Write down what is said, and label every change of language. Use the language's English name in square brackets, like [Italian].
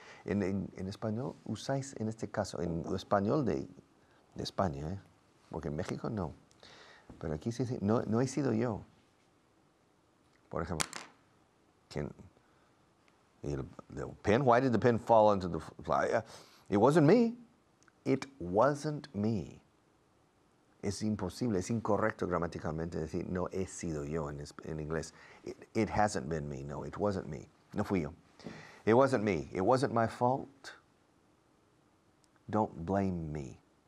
[Spanish] En español usáis en este caso, en español de España, porque en México no. Pero aquí se dice, no he sido yo. Por ejemplo, ¿quién? [English] The pen, why did the pen fall onto the fly? It wasn't me. It wasn't me. [Spanish] Es imposible, es incorrecto gramaticalmente decir, no he sido yo en inglés. [English] It hasn't been me. No, it wasn't me. [Spanish] No fui yo. [English] It wasn't me. It wasn't my fault. Don't blame me.